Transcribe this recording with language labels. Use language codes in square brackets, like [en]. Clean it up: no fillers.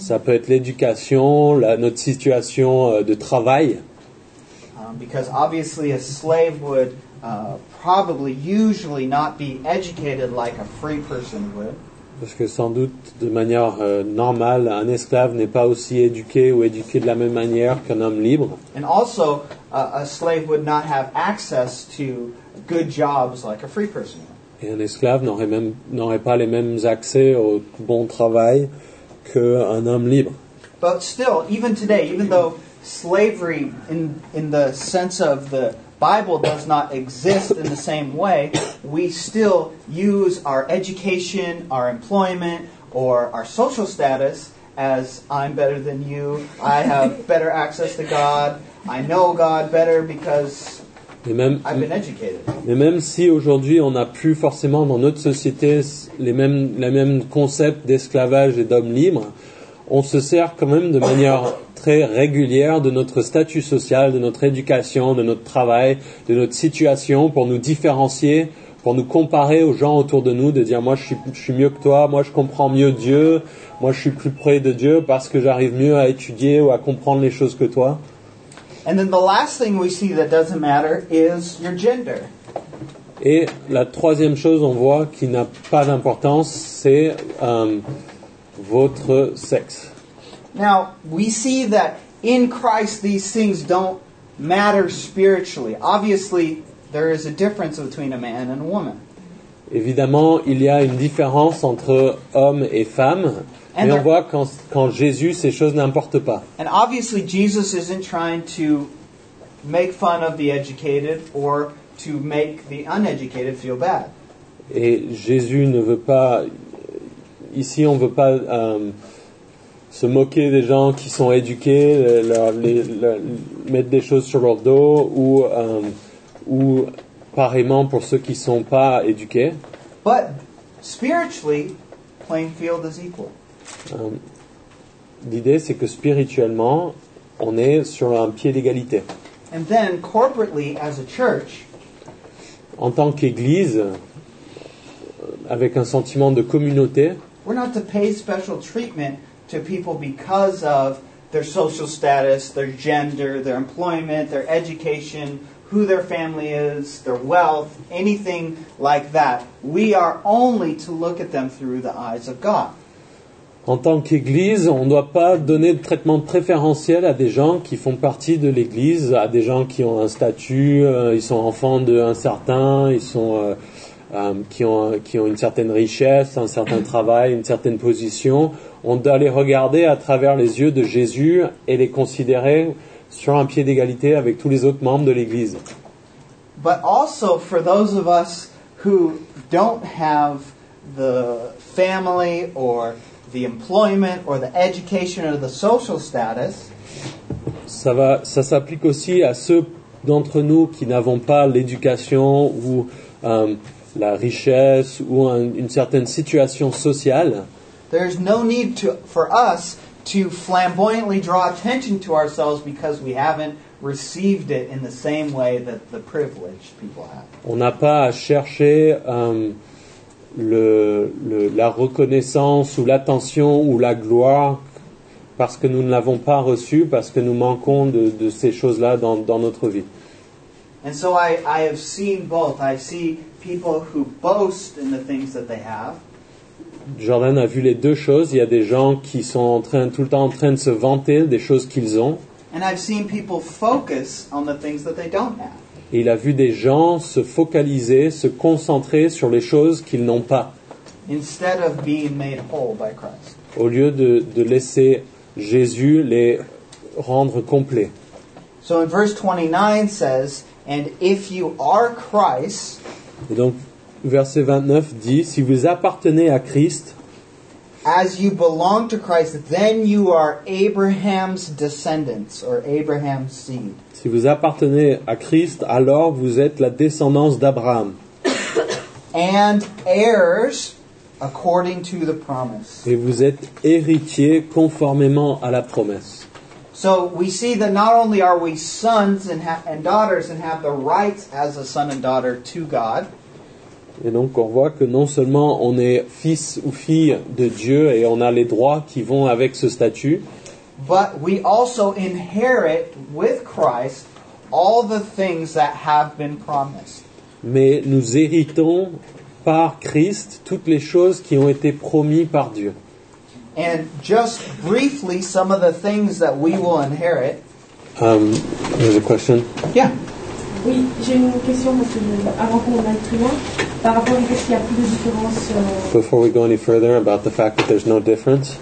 [fr] Ça peut être l'éducation, notre situation de travail. [en] Because obviously a slave would probably usually not be educated like a free person would. [fr] Parce que sans doute de manière normale un esclave n'est pas aussi éduqué ou éduqué de la même manière qu'un homme libre. [en] And also a slave would not have access to good jobs like a free person would. [fr] Et un esclave n'aurait pas les mêmes accès au bon travail qu'un homme libre. [en] But still, even today, even though slavery in the sense of the Bible does not exist in the same way, we still use our education, our employment, or our social status as I'm better than you, I have better access to God, I know God better because I've been educated. [fr] Mais même si aujourd'hui on n'a plus forcément dans notre société les mêmes concepts d'esclavage et d'homme libre, on se sert quand même de manière très régulière de notre statut social, de notre éducation, de notre travail, de notre situation pour nous différencier, pour nous comparer aux gens autour de nous, de dire « moi je suis mieux que toi, moi je comprends mieux Dieu, moi je suis plus près de Dieu parce que j'arrive mieux à étudier ou à comprendre les choses que toi ». [en] And then the last thing we see that doesn't matter is your gender. [fr] Et la troisième chose on voit qui n'a pas d'importance, c'est votre sexe. [en] Now, we see that in Christ these things don't matter spiritually. Obviously, there is a difference between a man and a woman. [fr] Évidemment, il y a une différence entre homme et femme. Mais on voit quand Jésus, ces choses n'importent pas. [en] And obviously, Jesus isn't trying to make fun of the educated or to make the uneducated feel bad. [fr] Et Jésus ne veut pas. Ici, on ne veut pas se moquer des gens qui sont éduqués, mettre des choses sur leur dos ou pareillement pour ceux qui ne sont pas éduqués. [en] But spiritually, playing field is equal. [fr] L'idée, c'est que spirituellement, on est sur un pied d'égalité. [en] And then, corporately, as a church, [fr] en tant qu'église, avec un sentiment de communauté, [en] we're not to pay special treatment to people because of their social status, their gender, their employment, their education, who their family is, their wealth, anything like that. We are only to look at them through the eyes of God. [fr] En tant qu'Église, on ne doit pas donner de traitement préférentiel à des gens qui font partie de l'Église, à des gens qui ont un statut, ils sont enfants d'un certain, ils sont qui ont une certaine richesse, un certain travail, une certaine position. On doit les regarder à travers les yeux de Jésus et les considérer sur un pied d'égalité avec tous les autres membres de l'Église. [en] But also for those of us who don't have the family or the employment or the education or the social status. [fr] Ça s'applique aussi à ceux d'entre nous qui n'avons pas l'éducation ou la richesse ou une certaine situation sociale. [en] There's no need for us to flamboyantly draw attention to ourselves because we haven't received it in the same way that the privileged people have. [fr] On n'a pas à chercher la reconnaissance ou l'attention ou la gloire parce que nous ne l'avons pas reçue, parce que nous manquons de ces choses-là dans notre vie. [en] And so I have seen both. I see people who boast in the things that they have. [fr] Jordan a vu les deux choses. Il y a des gens qui sont tout le temps en train de se vanter des choses qu'ils ont. [en] And I've seen people focus on the things that they don't have. [fr] Et il a vu des gens se focaliser, se concentrer sur les choses qu'ils n'ont pas. [en] Instead of being made whole by Christ. [fr] Au lieu de laisser Jésus les rendre complets. [en] So in verse 29 says, and if you are Christ. [fr] Et donc verset 29 dit, si vous appartenez à Christ. [en] As you belong to Christ, then you are Abraham's descendants or Abraham's seed. [fr] Si vous appartenez à Christ, alors vous êtes la descendance d'Abraham. [en] And heirs according to the promise. [fr] Et vous êtes héritiers conformément à la promesse. [en] So we see that not only are we sons and daughters and have the rights as a son and daughter to God. [fr] Et donc on voit que non seulement on est fils ou fille de Dieu et on a les droits qui vont avec ce statut. [en] But we also inherit with Christ all the things that have been promised. [fr] Mais nous héritons par Christ toutes les choses qui ont été promises par Dieu. [en] And just briefly, some of the things that we will inherit. There's a question. Yeah. [fr] Oui, j'ai une question parce que avant qu'on aille plus loin, par rapport au fait qu'il y a plus de différence. [en] Before we go any further about the fact that there's no difference.